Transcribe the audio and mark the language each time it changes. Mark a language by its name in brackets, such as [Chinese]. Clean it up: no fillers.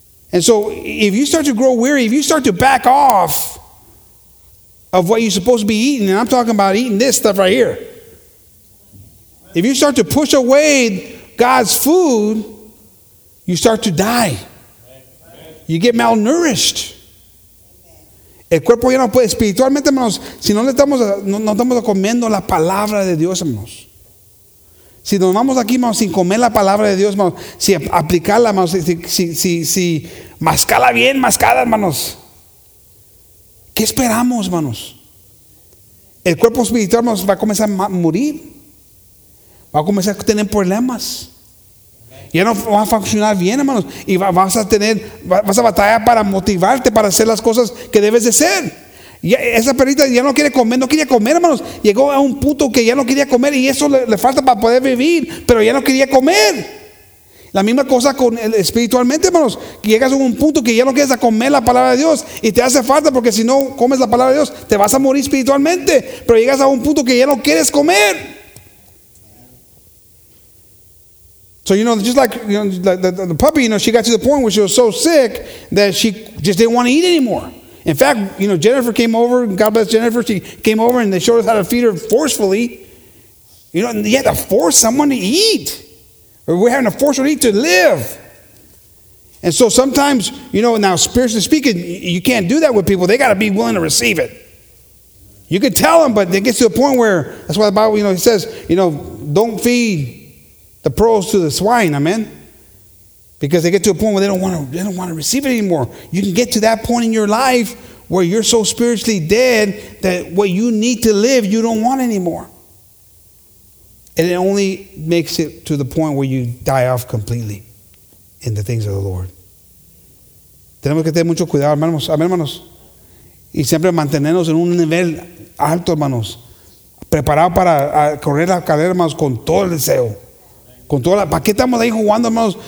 [English] And so if you start to grow weary, if you start to back off of what you're supposed to be eating, and I'm talking about eating this stuff right here. If you start to push away God's food, you start to die. You get malnourished. [Spanish] El cuerpo ya no puede, espiritualmente, hermanos, si no le estamos, no estamos comiendo la palabra de Dios, hermanos. Si nos vamos aquí, hermanos, sin comer la palabra de Dios, hermanos, si aplicarla, hermanos, si mascarla bien, mascarla, hermanos. ¿Qué esperamos, hermanos? El cuerpo espiritual, hermanos, va a comenzar a morir. Va a comenzar a tener problemas. Ya no va a funcionar bien, hermanos. Y vas a batallar para motivarte, para hacer las cosas que debes de hacer. Y esa perrita ya no quiere comer, no quería comer, hermanos. Llegó a un punto que ya no quería comer y eso le falta para poder vivir, pero ya no quería comer. La misma cosa con espiritualmente, hermanos. Llegas a un punto que ya no quieres comer la palabra de Dios y te hace falta porque si no comes la palabra de Dios, te vas a morir espiritualmente. Pero llegas a un punto que ya no quieres comer. [English] So, you know, just like, you know, the puppy, you know, she got to the point where she was so sick that she just didn't want to eat anymore. In fact, you know, Jennifer came over. God bless Jennifer. She came over and they showed us how to feed her forcefully. You know, and you had to force someone to eat. We're having to force her to eat to live. And so sometimes, you know, now spiritually speaking, you can't do that with people. They got to be willing to receive it. You can tell them, but it gets to a point where, that's why the Bible, you know, it says, you know, don't feed the pearls to the swine, amen. Because they get to a point where they don't want to receive it anymore. You can get to that point in your life where you're so spiritually dead that what you need to live, you don't want anymore. And it only makes it to the point where you die off completely in the things of the Lord. [Spanish] Tenemos que tener mucho cuidado, hermanos. Amén, hermanos. Y siempre mantenernos en un nivel alto, hermanos. Preparado para correr la carrera, hermanos, con todo el deseo. Con toda la, ¿para qué estamos ahí jugando, hermanos?